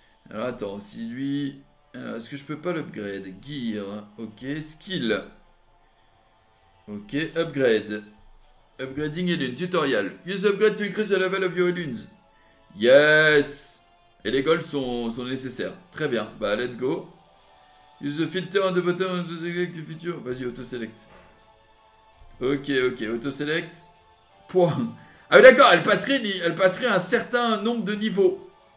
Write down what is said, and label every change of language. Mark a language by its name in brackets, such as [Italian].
[French] Alors attends, si lui... Alors, est-ce que je peux pas l'upgrade? [English] Gear. Ok, skill. Ok, upgrade. Upgrading élune, tutorial. Use upgrade to increase the level of your élunes. Yes. [French] Et les golds sont nécessaires. Très bien. Bah, [English] let's go. Use the filter on the bottom of the select feature. [French] Vas-y, auto-select. Ok, ok, auto-select. Point. Ah oui, d'accord, elle passerait un certain nombre de niveaux.